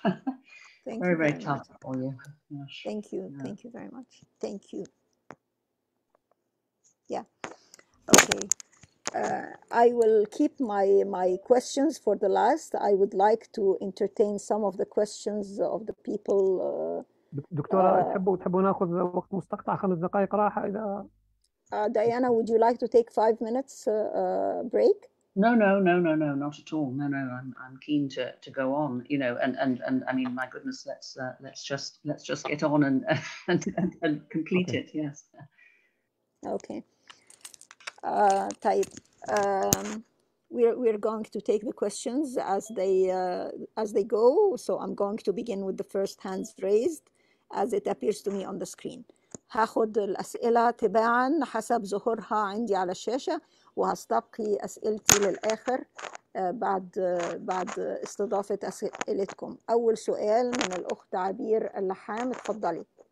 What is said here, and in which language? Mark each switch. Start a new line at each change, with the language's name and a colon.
English: Thank you very much for you. Gosh. Thank you. Yeah. Thank you very much. Thank you. Yeah. Okay. I will keep my questions for the last. I would like to entertain some of the questions of the people
Arabic: دكتورة تحبوا ناخذ وقت مستقطع خمس دقائق راحة إذا
English: Diana would you like to take 5 minutes break no not at all no I'm keen to go on you know and I mean my goodness let's just get on and complete okay. it yes okay
Arabic: طيب
English: we're going to take the questions as they go so I'm going to begin with the first hands raised as it appears to me on the screen.
Arabic: هاخد الأسئلة تباعاً حسب ظهورها عندي على الشاشة وهستبقي أسئلتي للآخر بعد استضافة أسئلتكم. أول سؤال من الأخت عبير اللحام اتفضلي.